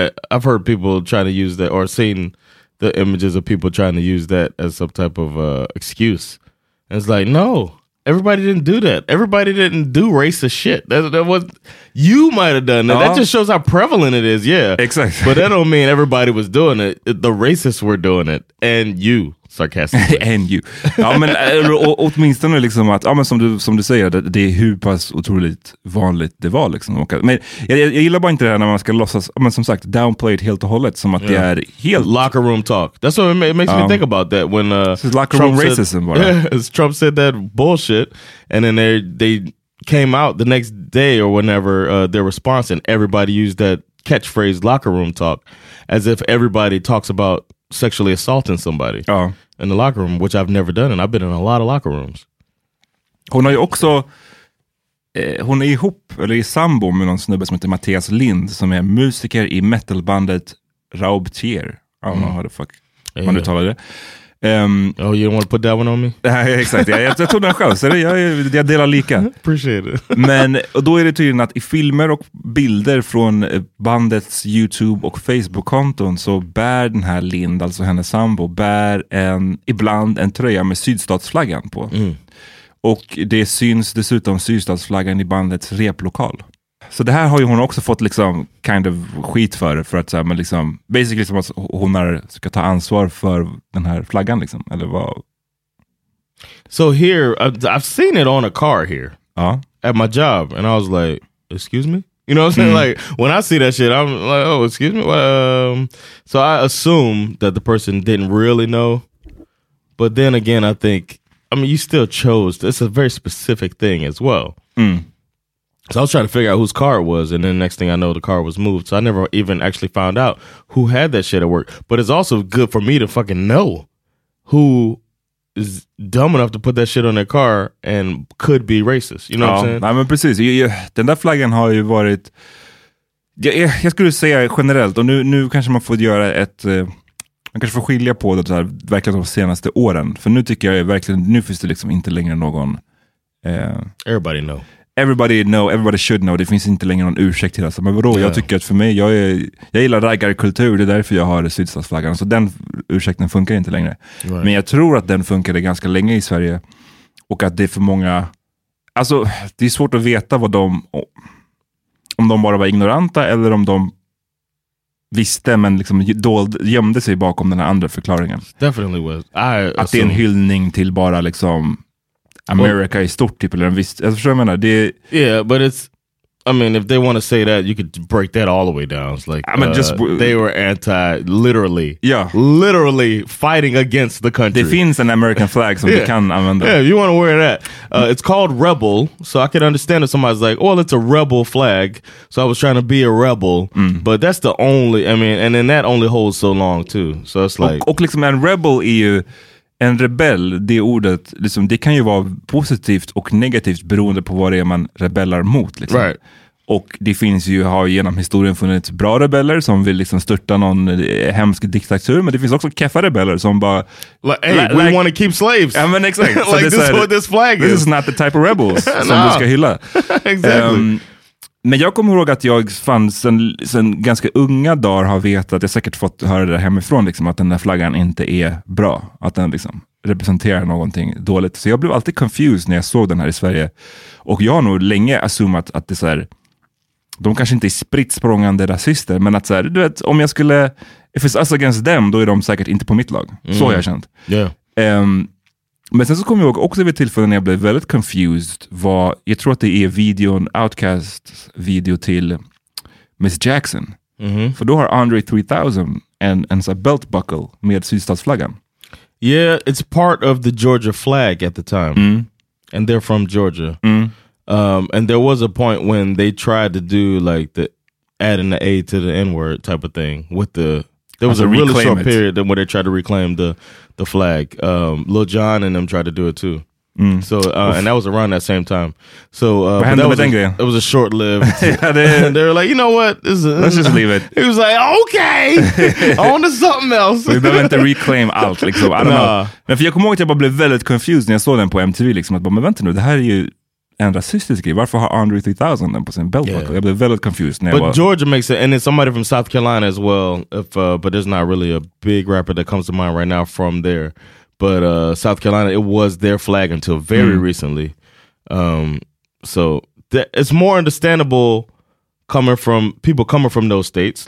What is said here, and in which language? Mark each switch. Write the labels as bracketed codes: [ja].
[en] I've heard people trying to use that, or seen the images of people trying to use that as some type of excuse. And it's like, no, everybody didn't do that. Everybody didn't do racist shit. That was, you might have done that. Uh-huh. That just shows how prevalent it is, yeah. Exactly. But that don't mean everybody was doing it. The racists were doing it. And you, sarcastically. And you. [sv] Ja, men åtminstone liksom att, ja, men som du säger, det är hur pass otroligt vanligt det var liksom. Men jag gillar bara inte det här när man ska låtsas, men som sagt, [en] downplay it [sv] helt och hållet, som att, yeah, det är helt [en] locker room talk. That's what it makes me think about that when this is locker room racism, said, yeah, Trump said that bullshit, and then they came out the next day or whenever, their response, and everybody used that catchphrase locker room talk, as if everybody talks about sexually assaulting somebody in the locker room, which I've never done, and I've been in a lot of locker rooms. [sv] Hon har ju också hon är ihop, eller i sambo med någon snubbe som heter Mattias Lind, som är musiker i metalbandet Raubtier. [en] I don't know how the fuck [sv] man uttalar det. [en] Oh, you don't want to put that one on me? [sv] Exakt, jag tog den själv, så det, jag delar lika. [en] Appreciate it. [sv] Men och då är det tydligen att i filmer och bilder från bandets YouTube- och Facebook-konton så bär den här Lind, alltså hennes sambo, bär en, ibland en tröja med sydstatsflaggan på. Mm. Och det syns dessutom sydstatsflaggan i bandets replokal. Så det här har ju hon också fått liksom [en] kind of [sv] skit för att så här, men liksom basically som att hon har ska ta ansvar för den här flaggan liksom, eller vad. [en] So here I've seen it on a car here. [sv] Ja. [en] At my job, and I was like, excuse me? You know what I'm saying? Like when I see that shit, I'm like, oh, excuse me. So I assume that the person didn't really know. But then again, I think, I mean, you still chose. It's a very specific thing as well. Mm. So I was trying to figure out whose car it was, and then next thing I know, the car was moved. So I never even actually found out who had that shit at work. But it's also good for me to fucking know who is dumb enough to put that shit on their car and could be racist. You know what I'm saying? [sv] Ja, men precis. Den där flaggan har ju varit... Jag skulle säga generellt, och nu kanske man får göra ett... Man kanske får skilja på det här verkligen de senaste åren. För nu tycker jag verkligen, nu finns det liksom inte längre någon... [en] Everybody know. Everybody know, everybody should know. [sv] Det finns inte längre någon ursäkt till det. Men vadå, jag tycker att för mig, jag gillar raggarkultur. Det är därför jag har sydstatsflaggan. Så den ursäkten funkar inte längre. [en] Right. [sv] Men jag tror att den funkade ganska länge i Sverige. Och att det är för många... Alltså, det är svårt att veta vad de... Om de bara var ignoranta eller om de visste men liksom gömde sig bakom den här andra förklaringen. [en] Definitely was. [sv] Att det är en hyllning till bara liksom... [en] America is [sv] stort typ eller en viss, jag förstår vad jag menar, det är, [en] yeah, but it's, I mean, if they want to say that, you could break that all the way down. It's like, I mean, just they were anti, literally, yeah, literally fighting against the country. [sv] Det finns [en] an American flag [sv] som du kan använda. [en] Yeah, if you want to wear that. It's called rebel, so I could understand if somebody's like, well, it's a rebel flag, so I was trying to be a rebel. Mm. But that's the only, I mean, and then that only holds so long too. So it's like, [sv] och liksom en rebel är ju... En rebell, det ordet, liksom, det kan ju vara positivt och negativt beroende på vad det är man rebellar mot. Liksom. [en] Right. [sv] Och det finns ju, har genom historien funnits bra rebeller som vill liksom störta någon hemsk diktatur, men det finns också keffa rebeller som bara... [en] Like, hey, we want to keep slaves! I mean, exactly. Like, this is what this flag is. This is not the type of rebels [sv] som du ska hylla. [en] Exactly. [sv] Men jag kommer ihåg att jag fanns sen ganska unga dagar har vetat, jag säkert fått höra det hemifrån, liksom, att den där flaggan inte är bra. Att den liksom representerar någonting dåligt. Så jag blev alltid confused när jag såg den här i Sverige. Och jag har nog länge assumat att det är så här, de kanske inte är sprittsprångande rasister, men att så här, du vet, om jag skulle, [en] if it's us against them, [sv] då är de säkert inte på mitt lag. Mm. Så har jag känt. [en] Yeah. [sv] Men sen så kommer jag ihåg också vid ett tillfälle när jag blev väldigt confused var, jag tror att det är videon, Outkasts video till Miss Jackson. Mm-hmm. För då har Andre 3000 en sån belt buckle med sydstatsflaggan. [en] Yeah, it's part of the Georgia flag at the time. Mm. And they're from Georgia. Mm. And there was a point when they tried to do like the adding the A to the N-word type of thing with the... There was a really short period where they tried to reclaim the flag. Lil Jon and them tried to do it too. Mm. So and that was around that same time. So it was a short lived. They were like, you know what? Let's just leave it. He was like, okay, on to something else. [sv] We behöver inte reclaim allt. Liksom. [en] I don't know. [sv] Men för jag kommer ihåg att jag bara blev väldigt confused när jag såg den på MTV. Liksom, att bara, men vänta nu, det här är ju en rasistisk grej. Varför har Andre 3000 den på sin belt buckle? Yeah. Jag blev väldigt confused. [en] But Georgia makes it, and then somebody from South Carolina as well, but there's not really a big rapper that comes to mind right now from there. But South Carolina, it was their flag until very recently. So it's more understandable coming from people coming from those states.